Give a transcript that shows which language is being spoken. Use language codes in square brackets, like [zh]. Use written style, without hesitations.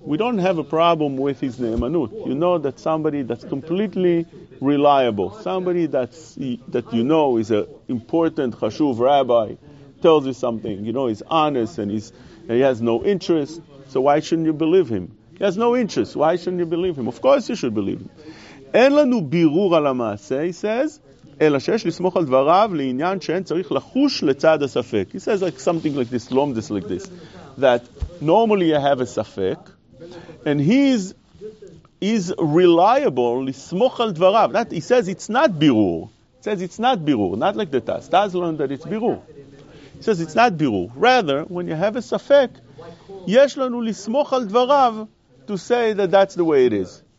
[en] We don't have a problem with his ne'emanut. You know that somebody that's completely reliable, somebody that you know is an important chashuv rabbi, tells you something, you know, he's honest and he's and he has no interest, so why shouldn't you believe him? He has no interest, why shouldn't you believe him? Of course you should believe him. [he] אין לנו בירור על המעשה, [en] he says, [he] אלא שיש לסמוך על דבריו לעניין שאין צריך לחוש לצד הספק. [en] He says like something like this, lomdes like this, that normally you have a ספק, and he's reliable, [he] לסמוך על דבריו. [en] That, he says it's not בירור. He says it's not בירור, not like the Taz. Taz learned that it's בירור. He says it's not בירור. Rather, when you have a ספק, [he] יש לנו לסמוך על דבריו [en] to say that that's the way it is.